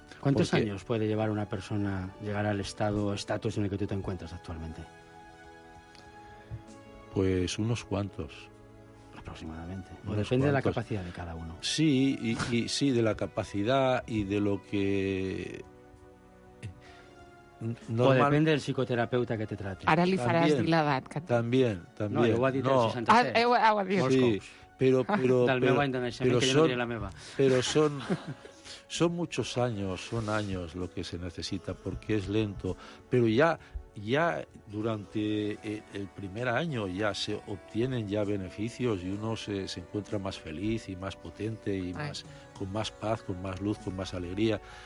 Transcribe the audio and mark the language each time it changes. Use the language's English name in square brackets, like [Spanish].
[Spanish] ¿Cuántos años puede llevar una persona llegar al estado o estatus en el que tú te encuentras actualmente? Pues unos cuantos. Aproximadamente. ¿O unos depende cuantos? De la capacidad de cada uno. Sí, y sí, de la capacidad y de lo que... Normal... O depende del psicoterapeuta que te trate. [Catalan] Ahora li faràs dir l'edat. [Spanish] También. [Catalan] No, ho ha dit el 66. Ah, ho ha dit. [Spanish] Sí, pero [Catalan] del meu any de naixement, que jo no diré la meva. Però són... [Spanish] Son muchos años, son años lo que se necesita, porque es lento. Pero ya durante el primer año ya se obtienen ya beneficios y uno se encuentra más feliz y más potente y más, con más paz, con más luz, con más alegría.